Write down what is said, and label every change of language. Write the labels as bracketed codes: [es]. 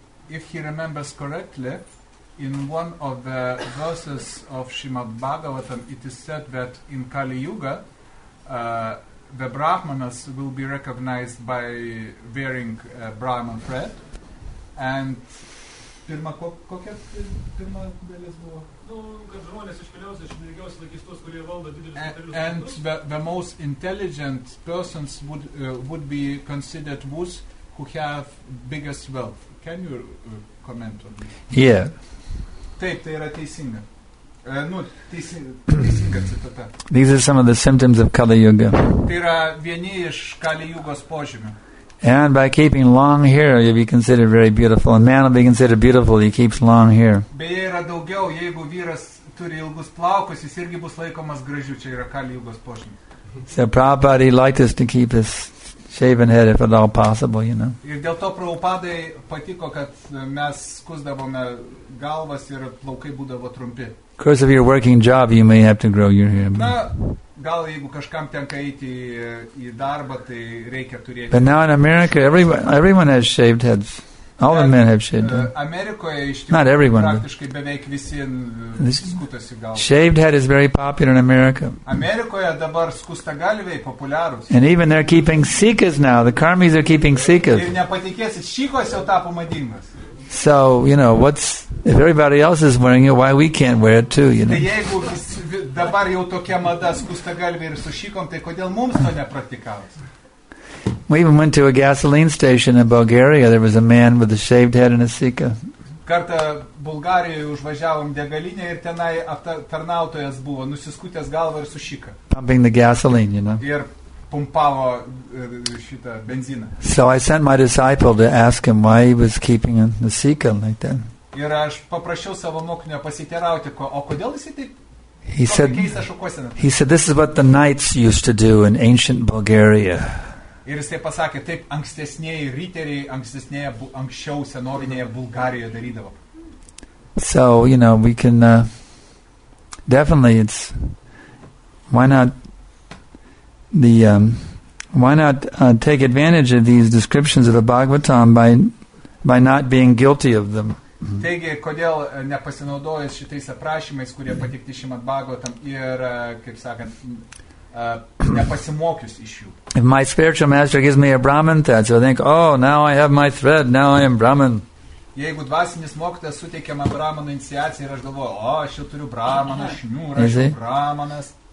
[en] If he remembers correctly, in one of the verses of Srimad Bhagavatam, it is said that in Kali Yuga, the Brahmanas will be recognized by wearing Brahman thread. [lt] And pirma, kokia pirma dalis buvo? [en] And the most intelligent persons would be considered those who have biggest wealth. Can you comment on this? Yeah. [lt] Taip, tai yra teisinga. Teisinga citata. [en] These are some of the symptoms of Kali Yuga. [lt] Tai yra vieni iš Kali Yugos požymių. [en] And by keeping long hair, you'll be considered very beautiful. A man will be considered beautiful, he keeps long hair. [lt] Beje yra daugiau, jeigu vyras turi ilgus plaukus, jis irgi bus laikomas gražiu. Čia yra Kali Yugos požymių. [en] So Prabhupada liked us to keep his shaven head, if at all possible, you know. [lt] Ir dėl to Prabhupadai patiko, kad mes skusdavome galvas ir plaukai būdavo trumpi. [en] Of course, if you're working job, you may have to grow your hair. [lt] Na, gal jeigu kažkam tenka eiti į darbą, tai reikia turėti. [en] But now in America, everyone has shaved heads. All the men have shaved heads. [lt] Amerikoje iš tikrųjų. [en] Not everyone. [lt] Praktiškai beveik visi skutasi galvas. [en] Shaved head is very popular in America. [lt] Amerikoje dabar skustagalviai populiarūs. [en] And even they're keeping sikhas now. The karmis are keeping sikhas. [lt] Ir nepatikėsit, šikos jau tapo madingas. [en] So, you know, if everybody else is wearing it, why we can't wear it too, you know? [lt] Tai jeigu dabar jau tokia mada skustagalviai ir su šikom, tai kodėl mums to nepraktikavus? [en] We even went to a gasoline station in Bulgaria. There was a man with a shaved head and a sikha. [lt] Kartą Bulgarijoje užvažiavom degalinę ir tenai aptarnautojas buvo nusiskutęs galvą ir su šika. [en] Pumping the gasoline, you know. [lt] Ir pumpavo šitą benziną. [en] So I sent my disciple to ask him why he was keeping the sikha like that. [lt] Ir aš paprašiau savo mokinio pasiterauti, o kodėl jis taip. [en] He said, this is what the knights used to do in ancient Bulgaria. [lt] Ir jis taip pasakė, taip ankstesnėji riteriai, ankstesnėje, anksčiau senovinėje Bulgarijoje darydavo. [en] So, you know, we can, definitely it's, why not take advantage of these descriptions of the Bhagavatam by not being guilty of them. Mm-hmm. [lt] Taigi, kodėl nepasinaudojus šitais aprašymais, kurie patikti Šrimad Bhagavatam ir, kaip sakant, nepasimokius iš jų. [en] If my spiritual master gives me a Brahman thread, so I think, oh, now I have my thread, now I am Brahman. [lt] Jeigu dvasinis mokytas suteikia man Brahmano iniciaciją ir aš galvoju, oh, aš jau turiu Brahmaną, šniūrą, Brahmanas.